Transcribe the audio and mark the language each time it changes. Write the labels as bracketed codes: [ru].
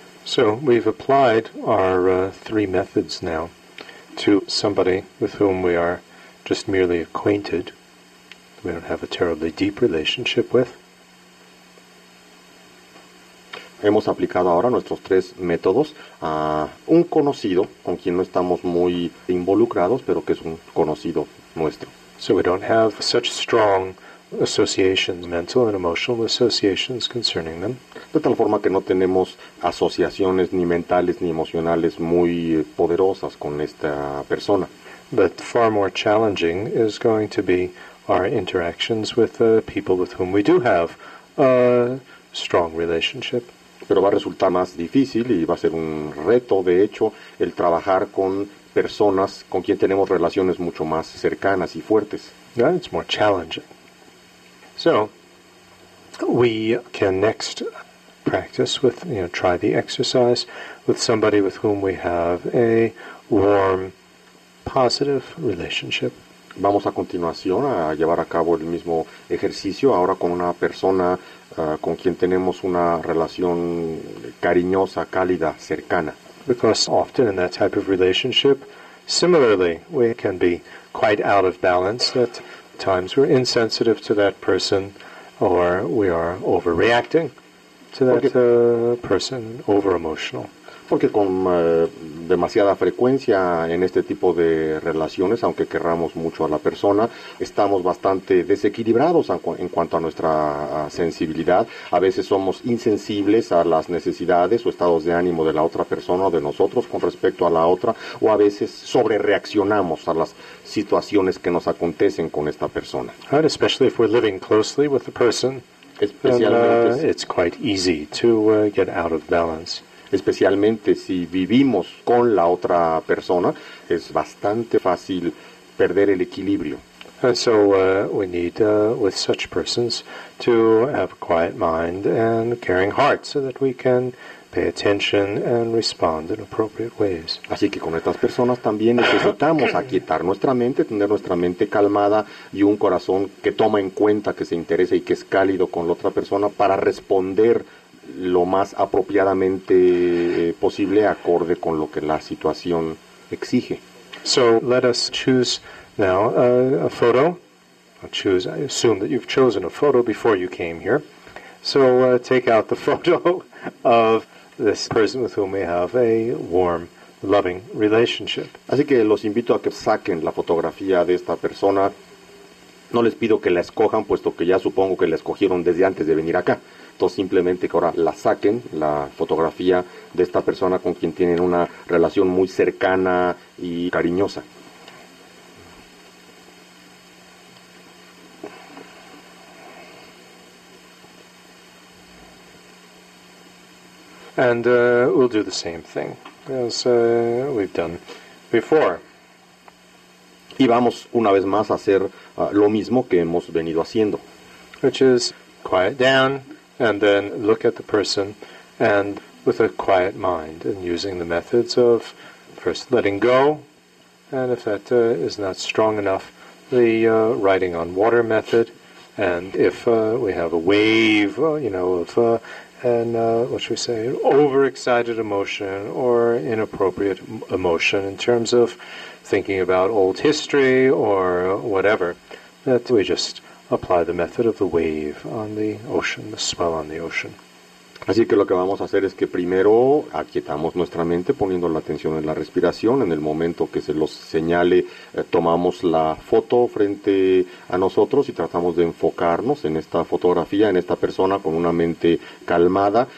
[en] So we've applied our three methods now to somebody with whom we are just merely acquainted, we don't have a terribly deep relationship with. [es] Hemos aplicado ahora nuestros tres métodos a un conocido con quien no estamos muy involucrados, pero que es un conocido nuestro. [en] So we don't have such strong associations, mental and emotional associations concerning them. [es] De tal forma que no tenemos asociaciones ni mentales ni emocionales muy poderosas con esta persona. [en] But far more challenging is going to be our interactions with the people with whom we do have a strong relationship. [es] Pero va a resultar más difícil y va a ser un reto, de hecho, el trabajar con personas con quien tenemos relaciones mucho más cercanas y fuertes. [en] Yeah, it's more challenging. So, we can next practice with, you know, try the exercise with somebody with whom we have a warm, positive relationship. [es] Vamos a continuación a llevar a cabo el mismo ejercicio, ahora con una persona con quien tenemos una relación cariñosa, cálida, cercana. [en] Because often in that type of relationship, similarly, we can be quite out of balance. At times we're insensitive to that person, or we are overreacting to that person, over-emotional. [es] Porque con demasiada frecuencia en este tipo de relaciones, aunque querramos mucho a la persona, estamos bastante desequilibrados en cuanto a nuestra sensibilidad. A veces somos insensibles a las necesidades o estados de ánimo de la otra persona o de nosotros con respecto a la otra, o a veces sobrereaccionamos a las situaciones que nos acontecen con esta persona. [en] Right, especially if we're living closely with the person, it's quite easy to get out of balance. [es] Especialmente si vivimos con la otra persona, es bastante fácil perder el equilibrio. [en] And so we need with such persons to have a quiet mind and a caring heart so that we can pay attention and respond in appropriate ways. [es] Así que con estas personas también necesitamos aquietar nuestra mente, tener nuestra mente calmada y un corazón que toma en cuenta, que se interesa y que es cálido con la otra persona para responder lo más apropiadamente posible, acorde con lo que la situación exige. [en] So let us choose now a photo. I assume that you've chosen a photo before you came here. So take out the photo of this person with whom we have a warm, loving relationship. [es] Así que los invito a que saquen la fotografía de esta persona. No les pido que la escojan, puesto que ya supongo que la escogieron desde antes de venir acá. Entonces, simplemente que ahora la saquen, la fotografía de esta persona con quien tienen una relación muy cercana y cariñosa. [en] And we'll do the same thing as we've done before. [es] Y vamos una vez más a hacer lo mismo que hemos venido haciendo. [en] Which is quiet down. And then look at the person and with a quiet mind and using the methods of first letting go, and if that is not strong enough, the writing on water method, and if we have a wave, you know, of overexcited emotion or inappropriate emotion in terms of thinking about old history or whatever, that we just apply the method of the wave on the ocean, the swell on the ocean. [es] Así que lo que vamos a hacer es que primero aquietamos nuestra mente poniendo la atención en la respiración. En el momento que se los señale, tomamos la foto frente a nosotros y tratamos de enfocarnos en esta fotografía, en esta persona con una mente calmada.